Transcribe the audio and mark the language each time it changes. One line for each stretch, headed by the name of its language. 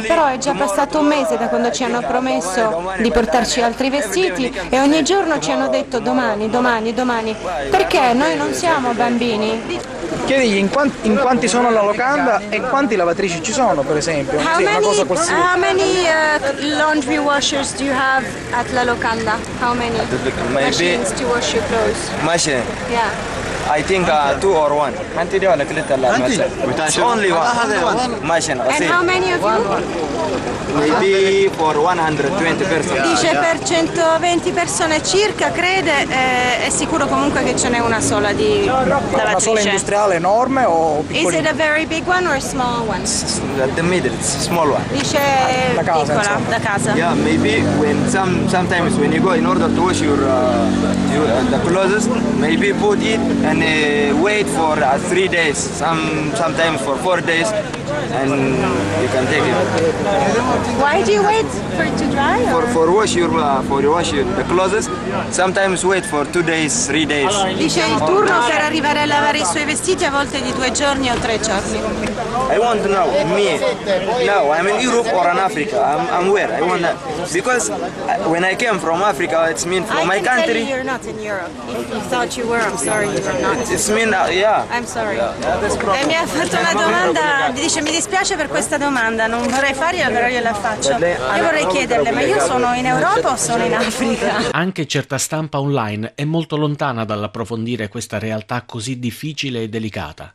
Italian: Però è già passato un mese da quando ci hanno promesso di portarci altri vestiti e ogni giorno ci hanno detto domani, domani, domani. Perché noi non siamo bambini? chiedigli in quanti sono alla locanda e quanti lavatrici ci sono, per esempio.
English: How many,
Italian: una cosa qualsiasi.
English: How many laundry washers do you have at la locanda? How many machines to wash your clothes? Machine. Yeah. I think two or one.
Italian: Quanti di voi le la macchina?
English: Only one. Machine. And how many of you? Maybe for 120 persone.
Italian: Dice per 120 persone circa, crede, è sicuro comunque che ce n'è una sola di lavatrice. Una sola industriale enorme o piccola?
English: Is it a very big one or a small one? The middle, it's a small one.
Italian: Dice da casa, piccola, insomma. Da casa.
English: Yeah, maybe when sometimes when you go in order to wash your the clothes, maybe put it and wait for 3 days, sometimes for 4 days, and you can take it. Why do you wait for it to dry? Or? For washing the clothes, sometimes wait for 2 days, 3 days.
Italian: Dice il turno per arrivare a lavare i suoi vestiti a volte di 2 giorni o 3 giorni.
English: I want to know, me, now I'm in Europe or in Africa, I'm where, I want to know. Because when I came from Africa, it's mean from I my country. I can tell you you're not in Europe, if you thought you were, I'm sorry. I'm sorry. Yeah.
Italian: Mi ha fatto una domanda, dice mi dispiace per questa domanda, non vorrei farla però gliela faccio. Io vorrei chiederle, ma io sono in Europa o sono in Africa? Anche certa stampa online è molto lontana dall'approfondire questa realtà così difficile e delicata.